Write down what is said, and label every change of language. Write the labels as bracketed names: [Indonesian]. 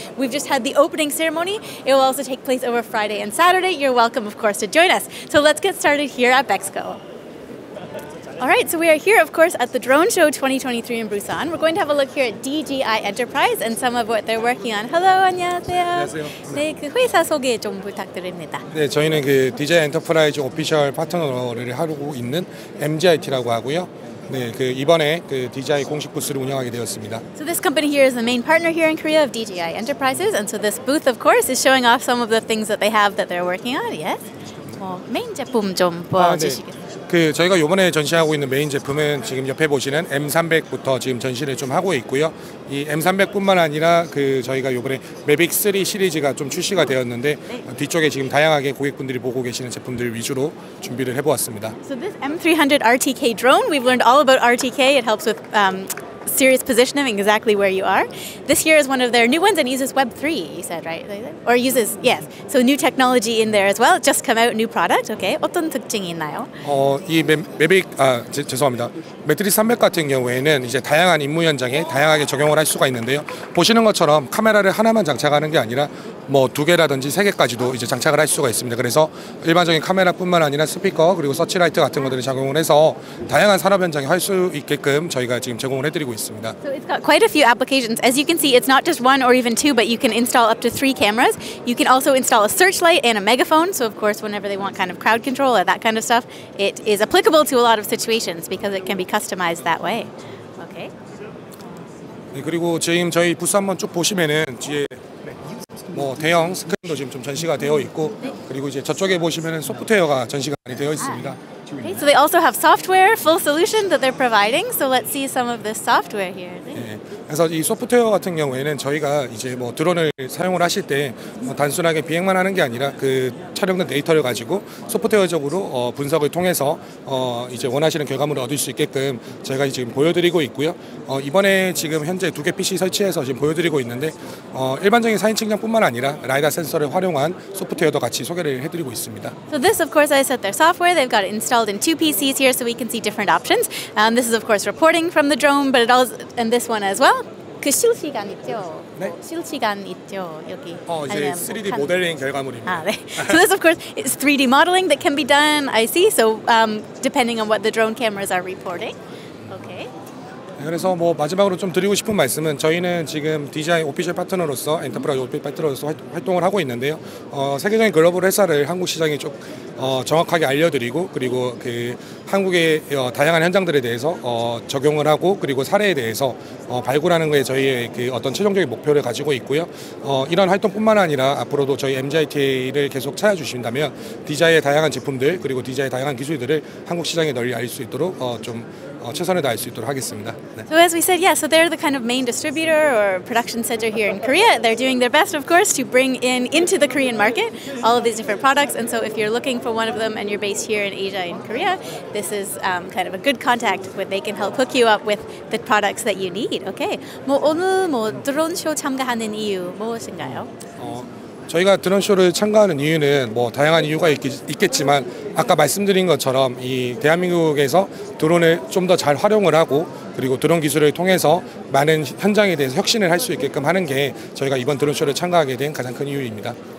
[English] We've just had the opening ceremony. It will also take place over Friday and Saturday. You're welcome, of course, to join us. So let's get started here at Bexco. All right, so we are here, of course, at the Drone Show 2023 in Busan. We're going to have a look here at DJI Enterprise and some of what they're working on. Hello, [Korean] 안녕하세요. 안녕하세요. 네, 그 회사 소개 좀 부탁드립니다. 네, 저희는 그 DJI 엔터프라이즈 오피셜 파트너를 하고 있는 MGIT라고 하고요. 네, 그 이번에 그 DJI 공식 부스를 운영하게 되었습니다. [English] So this company here is the main partner here in Korea of DJI Enterprises, and so this booth, of course, is showing off some of the things that they have that they're working on. Yes. [Korean] 뭐 메인 제품 좀 보여주시겠어요? 그 저희가 이번에 전시하고 있는 메인 제품은 지금 옆에 보시는 M300부터 지금 전시를 좀 하고 있고요. 이 M300뿐만 아니라 그 저희가 이번에 매빅3 시리즈가 좀 출시가 되었는데 네. 뒤쪽에 지금 다양하게 고객분들이 보고 계시는 제품들 위주로 준비를 해보았습니다. [English] So this M300 RTK drone, we've learned all about RTK. It helps with serious positioning, exactly where you are. This here is one of their new ones and uses Web3, you said, right? Or uses, yes. So new technology in there as well. Just come out, new product. Okay. [Korean] 어떤 특징이 있나요? 이 죄송합니다. 매트리 300 같은 경우에는 이제 다양한 임무 현장에 다양하게 적용을 할 수가 있는데요. 보시는 것처럼 카메라를 하나만 장착하는 게 아니라 뭐 두 개라든지 세 개까지도 이제 장착을 할 수가 있습니다. 그래서 일반적인 카메라뿐만 아니라 스피커 그리고 서치라이트 같은 것들을 적용을 해서 다양한 산업 현장에 할 수 있게끔 저희가 지금 제공을 해드리고 있습니다. [English] So it's got quite a few applications. As you can see, it's not just one or even two, but you can install up to three cameras. You can also install a searchlight and a megaphone. So of course, whenever they want kind of crowd control or that kind of stuff, it is applicable to a lot of situations because it can be customized that way. Okay. [Korean] 네, 그리고 지금 저희 부스 한번 쭉 보시면은 뒤에 뭐 대형 스크린도 지금 좀 전시가 되어 있고 그리고 이제 저쪽에 보시면은 소프트웨어가 전시가 많이 되어 있습니다. [English] Okay, so they also have software, full solution that they're providing. So let's see some of this software here. [Korean] 그래서 이 소프트웨어 같은 경우에는 저희가 이제 뭐 드론을 사용을 하실 때 단순하게 비행만 하는 게 아니라 그 촬영된 데이터를 가지고 소프트웨어적으로 분석을 통해서 이제 원하시는 결과물을 얻을 수 있게끔 저희가 지금 보여드리고 있고요. 이번에 지금 현재 두 개 PC 설치해서 지금 보여드리고 있는데 일반적인 사인 측정뿐만 아니라 라이다 센서를 활용한 소프트웨어도 같이 소개를 해드리고 있습니다. So this, of course, I said their software. They've got it installed in two PCs here, so we can see different options. This is, of course, reporting from the drone, but it all and this one as well. 그 실시간 있죠? 네? 실시간 있죠, 여기. 이제 3D 모델링 결과물입니다. 아, 네. [English] So this, of course, is 3D modeling that can be done, I see. So depending on what the drone cameras are reporting. Okay. [Korean] 그래서 뭐 마지막으로 좀 드리고 싶은 말씀은 저희는 지금 DJI 오피셜 파트너로서 엔터프라이즈 오피셜 파트너로서 활동을 하고 있는데요. 세계적인 글로벌 회사를 한국 시장에 좀 정확하게 알려드리고 그리고 그 한국의 다양한 현장들에 대해서 적용을 하고 그리고 사례에 대해서 발굴하는 게 저희의 그 어떤 최종적인 목표를 가지고 있고요. 이런 활동뿐만 아니라 앞으로도 저희 MGIT를 계속 찾아주신다면 DJI의 다양한 제품들 그리고 DJI의 다양한 기술들을 한국 시장에 널리 알릴 수 있도록 좀 최선을 다할 수 있도록 하겠습니다. 네. [English] So as we said, yeah, so they're the kind of main distributor or production center here in Korea. They're doing their best, of course, to bring in into the Korean market all of these different products. And so if you're looking for one of them and you're based here in Asia, in Korea, this is kind of a good contact where they can help hook you up with the products that you need. Okay. [Korean] 뭐 오늘 뭐 드론쇼 참가하는 이유 무엇인가요? 저희가 드론쇼를 참가하는 이유는 뭐 다양한 이유가 있겠지만 아까 말씀드린 것처럼 이 대한민국에서 드론을 좀 더 잘 활용을 하고 그리고 드론 기술을 통해서 많은 현장에 대해서 혁신을 할 수 있게끔 하는 게 저희가 이번 드론쇼를 참가하게 된 가장 큰 이유입니다.